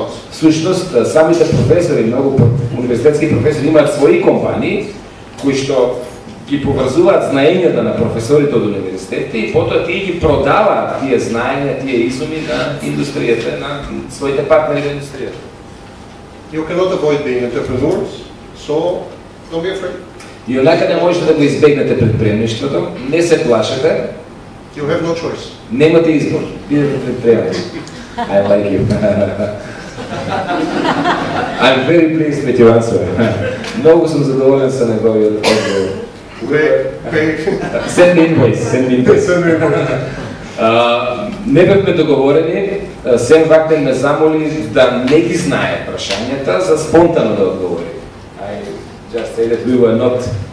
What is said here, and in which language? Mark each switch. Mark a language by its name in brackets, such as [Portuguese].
[Macedonian] Всушност, самите професори, многу университетски професори имаат своји компании кои што ги поврзуваат знаењата на професорите од универзитети и потоа тие ги продаваат тие знаења, тие изуми на индустријата, на своите партнери во индустријата. [English] You cannot avoid being entrepreneurs, so don't be afraid. [Macedonian] И онака не можете да го избегнете предприемништвото, не се плашете. [English] You have no choice. [Macedonian] Немате избор, бидете предприемници. [English] I like you. I'm very pleased with your answer. [Macedonian] Многу сум задоволен со неговиот одговор. [English] Send me invoice. [Macedonian] Не бевме договорени, Сем Вакнин ме замоли да не ги знае прашањата, за спонтано да одговори. [English] I just say that we were not...